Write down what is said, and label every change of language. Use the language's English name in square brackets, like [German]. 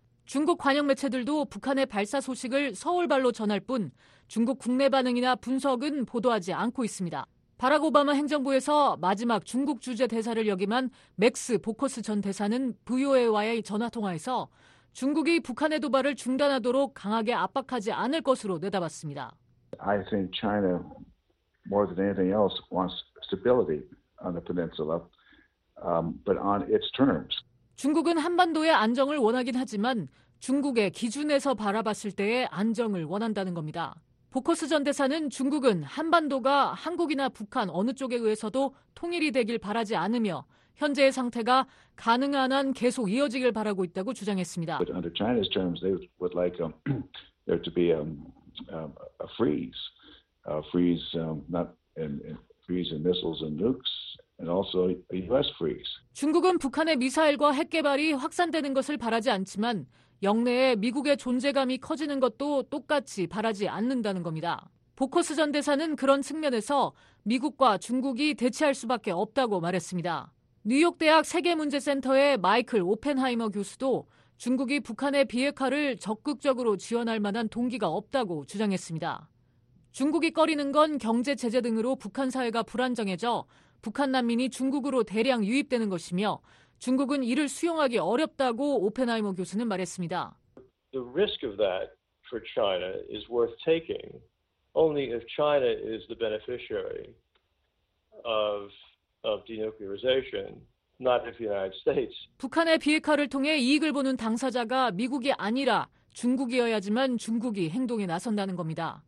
[Korean] 중국 관영 매체들도 북한의 발사 소식을 서울발로 전할 뿐 중국 국내 반응이나 분석은 보도하지 않고 있습니다. 바락 오바마 행정부에서 마지막 중국 주재 대사를 역임한 맥스 보커스 전 대사는 VOA와의 전화통화에서 중국이 북한의 도발을 중단하도록 강하게 압박하지 않을 것으로 내다봤습니다. [English] I think China more than anything else wants stability on the peninsula, but on its terms. [Korean] 중국은 한반도의 안정을 원하긴 하지만 중국의 기준에서 바라봤을 때의 안정을 원한다는 겁니다. 보커스 전 대사는 중국은 한반도가 한국이나 북한 어느 쪽에 의해서도 통일이 되길 바라지 않으며 현재의 상태가 가능한 한 계속 이어지길 바라고 있다고 주장했습니다. [English] But under China's terms, they would like there to be a freeze, freeze in missiles and nukes. And also a US freeze. [Korean] 중국은 북한의 미사일과 핵개발이 확산되는 것을 바라지 않지만 영내에 미국의 존재감이 커지는 것도 똑같이 바라지 않는다는 겁니다. 보커스 전 대사는 그런 측면에서 미국과 중국이 대치할 수밖에 없다고 말했습니다. 뉴욕대학 세계문제센터의 마이클 오펜하이머 교수도 중국이 북한의 비핵화를 적극적으로 지원할 만한 동기가 없다고 주장했습니다. 중국이 꺼리는 건 경제 제재 등으로 북한 사회가 불안정해져 북한 난민이 중국으로 대량 유입되는 것이며 중국은 이를 수용하기 어렵다고 오펜하이머 교수는 말했습니다. [English] The risk of that for China is worth taking only if China is the beneficiary of denuclearization, not if the United States. [Korean] 북한의 비핵화를 통해 이익을 보는 당사자가 미국이 아니라 중국이어야지만 중국이 행동에 나선다는 겁니다.